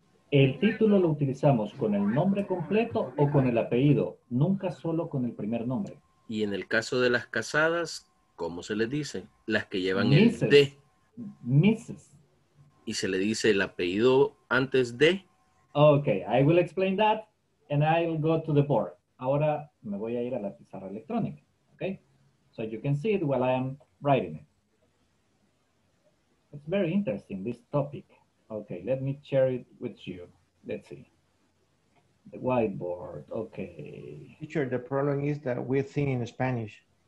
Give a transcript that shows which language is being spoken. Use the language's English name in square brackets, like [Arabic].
[Spanish] El título lo utilizamos con el nombre completo o con el apellido, nunca solo con el primer nombre. Y en el caso de las casadas, ¿cómo se les dice? Las que llevan Mrs. el de. Mrs. ¿Y se le dice el apellido antes de? [English] Okay, I will explain that and I'll go to the board. [Spanish] Ahora me voy a ir a la pizarra electrónica, okay? [English] So you can see it while I am writing it. It's very interesting, this topic. Okay, let me share it with you. Let's see. The whiteboard, okay. Teacher, the problem is that we think in Spanish.